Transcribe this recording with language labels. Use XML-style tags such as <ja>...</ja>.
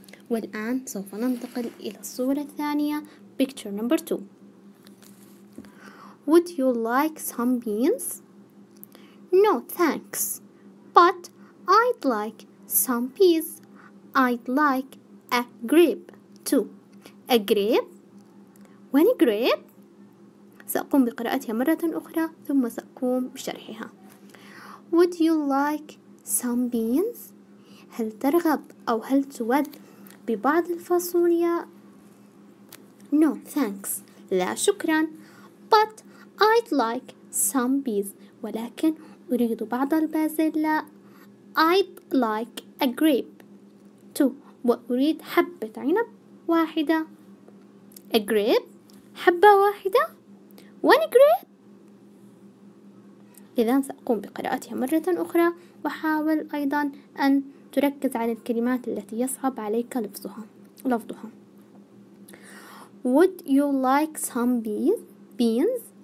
<ar>والآن سوف ننتقل إلى الصورة الثانية.</ar> <en>Picture number two. Would you like some beans? No, thanks. But I'd like some peas. I'd like a grape too. A grape? One grape?</en> <ar>سأقوم بقراءتها مرة أخرى ثم سأقوم بشرحها.</ar> <en>Would you like some beans؟</en> <ar>هل ترغب أو هل تود ببعض الفاصوليا؟</ar> <en>No, thanks.</en> <ar>لا شكراً.</ar> <en>But I'd like some peas.</en> <ar>ولكن أريد بعض البازيلا.</ar> <en>I'd like a grape too.</en> <ar>وأريد حبة عنب واحدة.</ar> <en>A grape.</en> <ar>حبة واحدة.</ar> <en>One grape.</en> <ar>إذن سأقوم بقراءتها مرة أخرى، وحاول أيضا أن تركز على الكلمات التي يصعب عليك لفظها.</ar> <en>Would you like some beans؟</en>